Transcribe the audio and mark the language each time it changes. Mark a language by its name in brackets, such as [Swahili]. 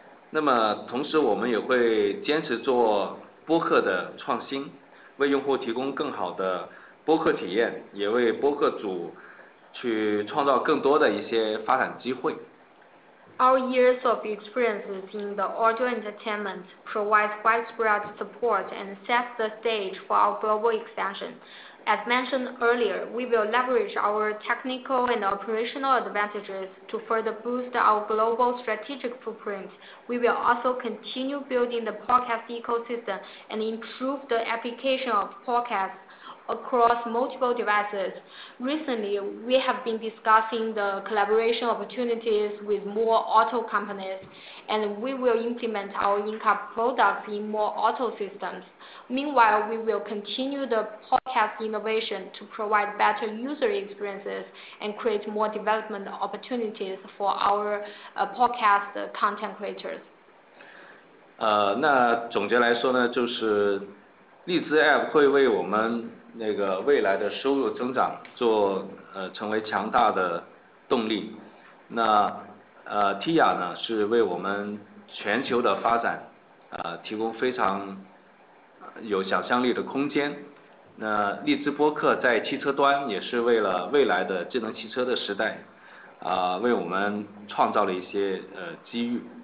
[Chinese] 那么同时我们也会坚持做播客的创新，为用户提供更好的播客体验，也为播客组去创造更多的一些发展机会。 [English] Our years of experiences in the audio entertainment provide widespread support and set the stage for our global expansion. As mentioned earlier, we will leverage our technical and operational advantages to further boost our global strategic footprint. We will also continue building the podcast ecosystem and improve the application of podcasts across multiple devices. Recently, we have been discussing the collaboration opportunities with more auto companies, and we will implement our in-car products in more auto systems. Meanwhile, we will continue the podcast innovation to provide better user experiences and create more development opportunities for our podcast content creators. [Chinese] 那总结来说呢，就是荔枝 App 会为我们那个未来的收入增长做成为强大的动力，那TIYA呢是为我们全球的发展提供非常有想象力的空间，那荔枝播客在汽车端也是为了未来的智能汽车的时代为我们创造了一些机遇。